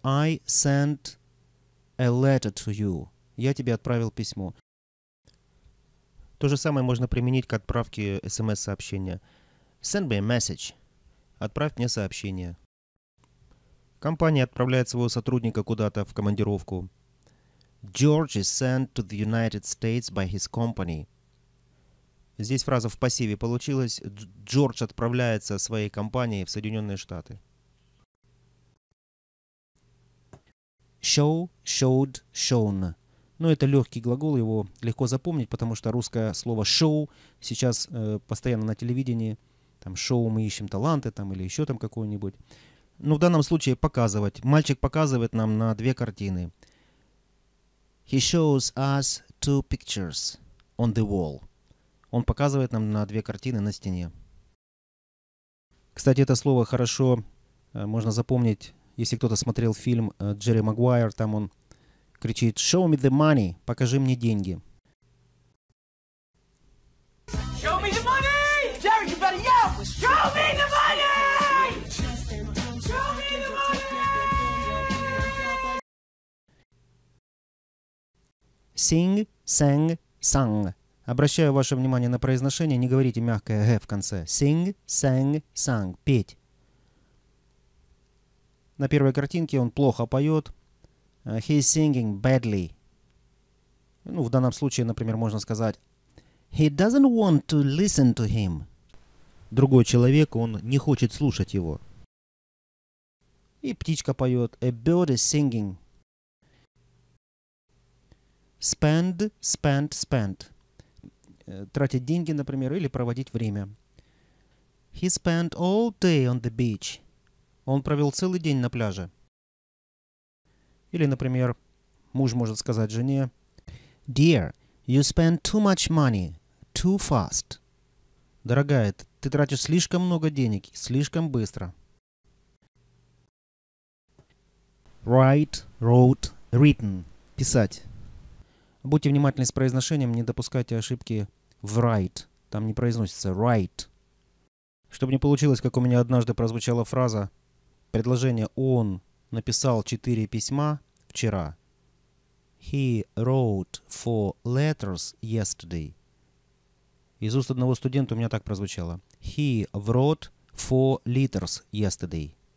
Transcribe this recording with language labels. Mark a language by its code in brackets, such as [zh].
[en] I sent a letter to you. [ru] Я тебе отправил письмо. То же самое можно применить к отправке SMS-сообщения. [en] Send me a message. [ru] Отправь мне сообщение. Компания отправляет своего сотрудника куда-то в командировку. [en] George is sent to the United States by his company. [ru] Здесь фраза в пассиве получилась. Джордж отправляется своей компанией в Соединенные Штаты. [en] Show, showed, shown. [ru] Ну, это легкий глагол, его легко запомнить, потому что русское слово show сейчас постоянно на телевидении. Там шоу «Мы ищем таланты» там, или еще там какое-нибудь. Но в данном случае показывать. Мальчик показывает нам на две картины. [en] He shows us two pictures on the wall. [ru] Он показывает нам на две картины на стене. Кстати, это слово хорошо можно запомнить, если кто-то смотрел фильм Джерри Магуайр, там он кричит [en] «Show me the money!» [ru] – «Покажи мне деньги!» [en] Show me the money! Jerry, you better yell! Show me the money! Show me the money! Sing, sang, sung. [ru] Обращаю ваше внимание на произношение, не говорите мягкое «г» в конце. [en] Sing, sang, sung. [ru] Петь. На первой картинке он плохо поет. [en] He's singing badly. [ru] Ну, в данном случае, например, можно сказать [en] He doesn't want to listen to him. [ru] Другой человек, он не хочет слушать его. И птичка поет. [en] A bird is singing. Spend, spend, spend. [ru] Тратить деньги, например, или проводить время. [en] He spent all day on the beach. [ru] Он провел целый день на пляже. Или, например, муж может сказать жене [en] Dear, you spend too much money, too fast. [ru] Дорогая, ты тратишь слишком много денег, слишком быстро. [en] Write, wrote, written. [ru] Писать. Будьте внимательны с произношением, не допускайте ошибки в write. Там не произносится write. Чтобы не получилось, как у меня однажды прозвучала фраза, предложение «Он написал 4 письма». Вчера. [en] He wrote 4 letters yesterday. [ru] Из уст одного студента у меня так прозвучало. [en] He wrote 4 letters yesterday.